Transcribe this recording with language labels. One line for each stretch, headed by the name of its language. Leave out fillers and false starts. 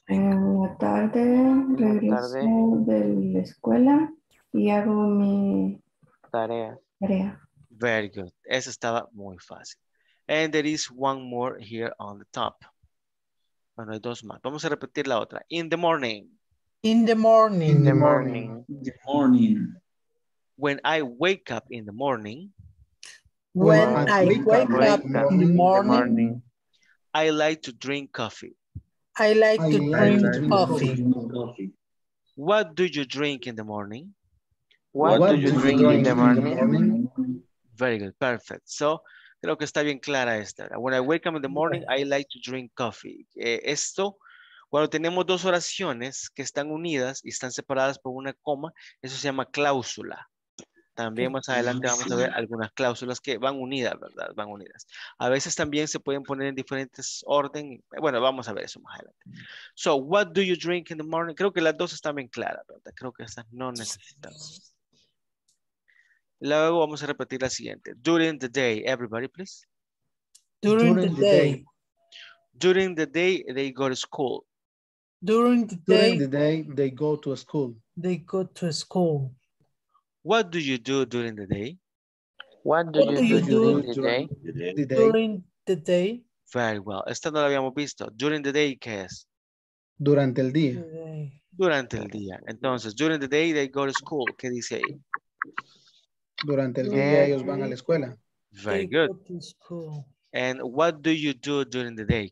Spanish: En la tarde regreso de la escuela y hago mi tarea.
English: Very good.
Spanish: Esa estaba muy fácil.
English: And there is one more here on the top.
Spanish: Bueno, hay dos más. Vamos a repetir la otra.
English: In the morning. In the morning. In the morning. In the morning. When I wake up in the morning. When I wake up in the morning. I like to drink coffee. I like to drink coffee. What do you drink in the morning? What do you drink in the morning? Very good. Perfect. So,
Spanish: creo que está bien clara esta.
English: When I wake up in the morning, I like to drink coffee.
Spanish: Esto, cuando tenemos dos oraciones que están unidas y están separadas por una coma, eso se llama cláusula. También más adelante vamos a ver algunas cláusulas que van unidas, ¿verdad? Van unidas. A veces también se pueden poner en diferentes orden. Bueno, vamos a ver eso más adelante.
English: So, what do you drink in the morning?
Spanish: Creo que las dos están bien claras, ¿verdad? Creo que estas no necesitamos. Luego vamos a repetir la siguiente.
English: During the day, everybody, please. During the day. During the day, they go to school. During the day, they go to school. They go to school. What do you do during the day? What do you do during the day? Very well.
Spanish: Esta no la habíamos visto.
English: During the day,
Spanish: ¿qué es? Durante el día. Durante el día. Entonces,
English: during the day, they go to school.
Spanish: ¿Qué dice ahí? Durante el día, ellos van a la escuela.
English: Very good. And what do you do during the day?